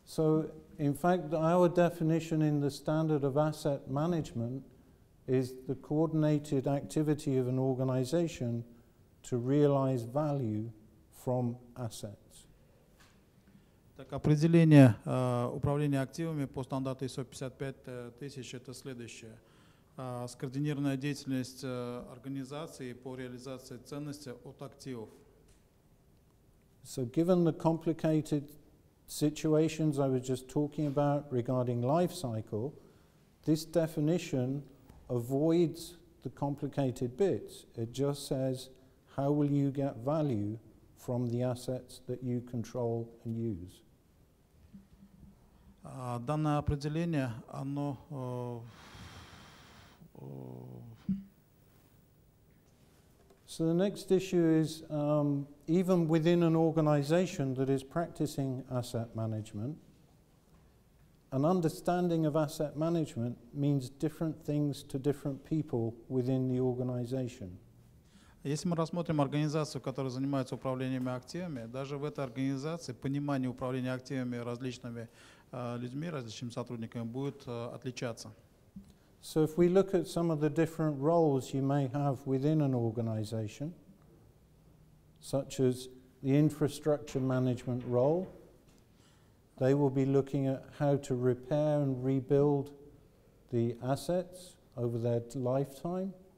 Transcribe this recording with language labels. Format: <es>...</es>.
<en>So, in fact, our definition in the standard of asset management is the coordinated activity of an organization to realize value from assets.</en> <ru>Так, определение управления активами по стандарту ISO55001 это следующее. Скоординированная деятельность организации по реализации ценности от активов.</ru> <en>So given the complicated situations I was just talking about regarding life cycle, this definition avoids the complicated bits. It just says, how will you get value from the assets that you control and use?</en> <ru>Данное определение, оно</ru> <en>So the next issue is, even within an organization that is practicing asset management, an understanding of asset management means different things to different people within the organization.</en> <ru>Если мы рассмотрим организацию, которая занимается управлением активами, даже в этой организации понимание управления активами различными людьми, различными сотрудниками будет отличаться.</ru> <en>So if we look at some of the different roles you may have within an organization, such as the infrastructure management role, they will be looking at how to repair and rebuild the assets over their lifetime.</en>